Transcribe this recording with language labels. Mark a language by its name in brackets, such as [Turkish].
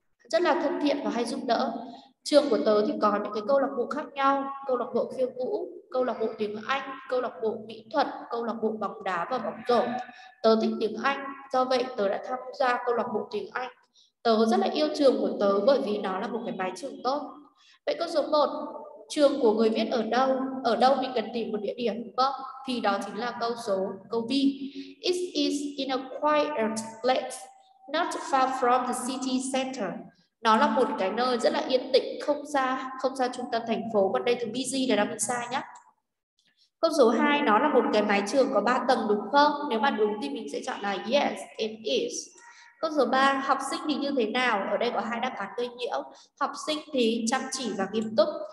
[Vietnamese] Rất là thân thiện và hay giúp đỡ. Trường của tớ thì có những cái câu lạc bộ khác nhau, câu lạc bộ khiêu vũ, câu lạc bộ tiếng Anh, câu lạc bộ mỹ thuật, câu lạc bộ bóng đá và bóng rổ. Tớ thích tiếng Anh, do vậy tớ đã tham gia câu lạc bộ tiếng Anh. Tớ rất là yêu trường của tớ bởi vì nó là một cái mái trường tốt. Vậy câu số 1, trường của người viết ở đâu? Ở đâu mình cần tìm một địa điểm? Vâng, thì đó chính là câu B. [English] It is in a quiet place, not far from the city center. [Vietnamese] Nó là một cái nơi rất là yên tĩnh, không xa trung tâm thành phố. Còn đây từ busy là đang bị sai nhé. Câu số 2, nó là một cái mái trường có 3 tầng đúng không? Nếu mà đúng thì mình sẽ chọn là [English] yes, it is. [Vietnamese] Câu số 3, học sinh thì như thế nào? Ở đây có hai đáp án gây nhiễu. Học sinh thì chăm chỉ và nghiêm túc.